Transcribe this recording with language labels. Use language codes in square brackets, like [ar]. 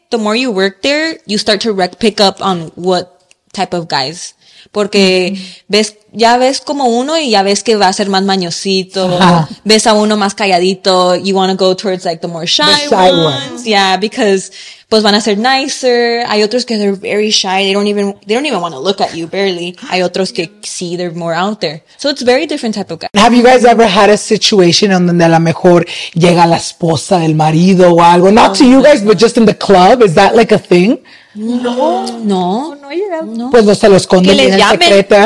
[en] The more you work there, you start to pick up on what type of guys. [es] Porque ves como uno y ya ves que va a ser más mañosito. Uh-huh. Ves a uno más calladito. [en] You want to go towards the more shy ones. Yeah, because pues van a ser nicer. Hay otros que they're very shy. They don't even want to look at you, barely. Hay otros que sí, they're more out there. So it's very different type of guy. Have you guys ever had a situation en donde a lo mejor llega la esposa del marido o algo? Not to you guys, but just in the club. Is that a thing? No. [es] Pues no se lo esconde en el secreto.